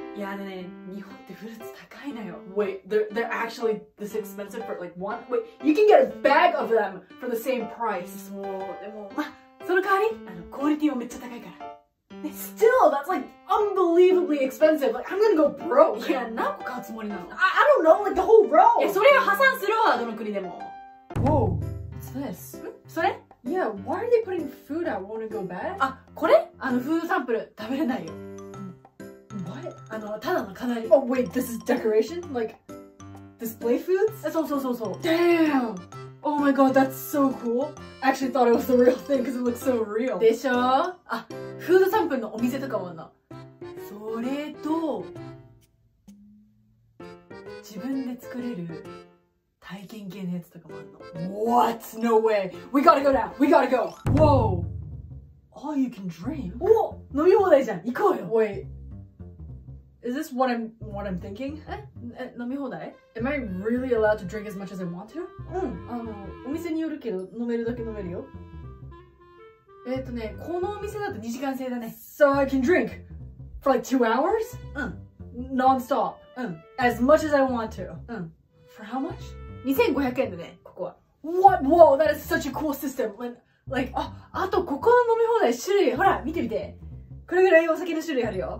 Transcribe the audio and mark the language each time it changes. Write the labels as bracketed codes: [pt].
[ja] いやね、日本ってフルーツ高いのよ。 [en] Wait, they're actually this expensive for like one? Wait, you can get a bag of them for the same price. [ja] そう、でも、まあ、その代わり、あの、クオリティもめっちゃ高いから。 [en] Still, that's like unbelievably expensive. Like, I'm gonna go broke. [ja] Yeah, 何個買うつもりなの？ [en] I don't know, like the whole row. [ja] いや、それは破産するわ、どの国でも。 [en] Whoa, what's this? [ja] それ？ [en] Yeah, why are they putting food out? Wanna go back? [ja] あ、これ？あの、フードサンプル、食べれないよ。 [en] What? [ja] あの、ただの飾り。 [en] Oh, wait, this is decoration? Like, display foods? [ja] そうそうそうそう。 [en] Damn! Oh my god, that's so cool. I actually thought it was the real thing because it looks so real. [ja] でしょ？あ、フードサンプルのお店とかもあるの。それと、自分で作れる体験系のやつとかもあるの。 [en] What? No way! We gotta go now! We gotta go! Whoa! All you can drink? [ja] お、飲み放題じゃん！行こうよ！ [en] Wait. Is this what I'm thinking? [ja] え？飲み放題？ [en] Am I really allowed to drink as much as I want to? [ja] うん、あの、お店によるけど、飲めるだけ飲めるよ。ね、このお店だと2時間制だね。 [en] So I can drink for like 2 hours? [ja] うん。 [en] Non-stop? [ja] うん。 [en] As much as I want to? [ja] うん。 [en] For how much? [ja] 2500円だね、ここは。 [en] What? Whoa, that is such a cool system! Like, [ja] あ、あとここの飲み放題、種類、ほら、見てみて。これぐらいお酒の種類あるよ。